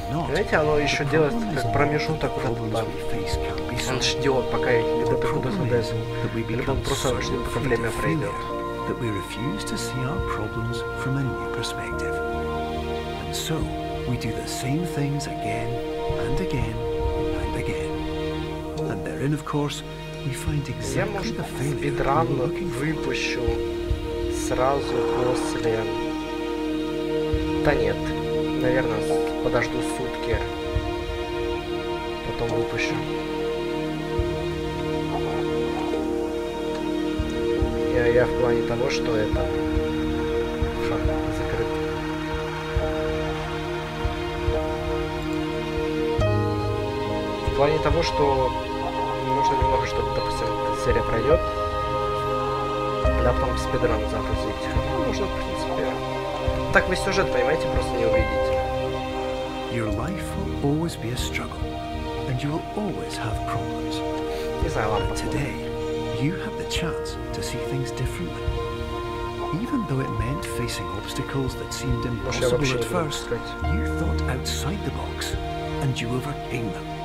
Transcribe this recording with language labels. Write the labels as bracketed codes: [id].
[ru] Знаете, оно еще делает как промежуток куда-то туда. Он ждет, пока я не допрыгну до Сандеза. Или он просто ждет, пока время пройдет. [en] That we refuse to see our problems from a new perspective. And so, we do the same things again, and again, and again. And therein, of course, we find exactly the failure we're looking for. [ru] Я, может, спидран выпущу сразу после... Да нет, наверное, подожду сутки, потом выпущу. Я в плане того, что это шаг закрыт. В плане того, что нужно немного, чтобы, допустим, серия пройдет, да, потом спидран запустить. Ну, можно, в принципе. Так вы сюжет, понимаете, просто не увидите. [en] Your life will always be a struggle, and you will always have problems. [ru] Не знаю, ладно, [en] but today, you have the chance to see things differently. Even though it meant facing obstacles that seemed impossible at first, you thought outside the box, and you overcame them.